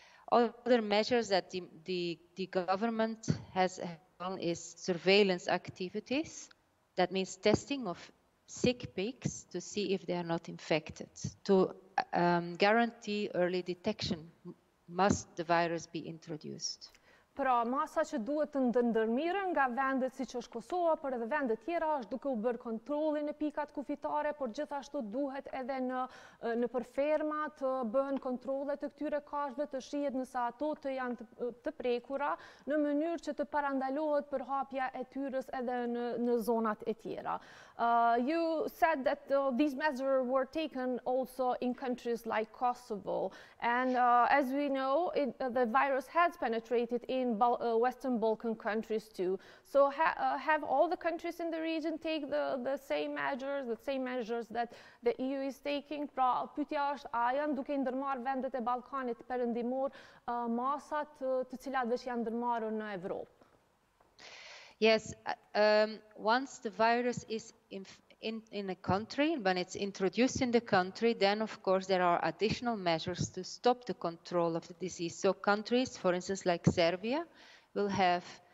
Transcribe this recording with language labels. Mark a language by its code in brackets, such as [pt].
[en] Other measures that the government has done is surveillance activities. That means testing of sick pigs to see if they are not infected. To guarantee early detection, must the virus be introduced? [sq] Pra, masa që duhet të ndërmirën nga vendet si që është Kosova, për edhe vendet tjera është duke u bërë kontrolin në pikat kufitare, por gjithashtu duhet edhe në përferma të bëhen kontrole të këtyre kafshëve, të shihet nëse ato të janë të prekura, në mënyrë që të parandalohet për hapja e tyres edhe në zonat e tjera. [en] You said that these measures were taken also in countries like Kosovo. And as we know, the virus has penetrated in Western Balkan countries too. So have all the countries in the region take the same measures that the EU is taking? [sq] Pra, pyetja është, a janë duke ndërmarrë vendet e Ballkanit perëndimor masat të cilat veç janë ndërmarrë në Evropë? [en] Yes, once the virus is in a country, when it's introduced in the country, then of course there are additional measures to stop the control of the disease. So countries, for instance, like Serbia, will have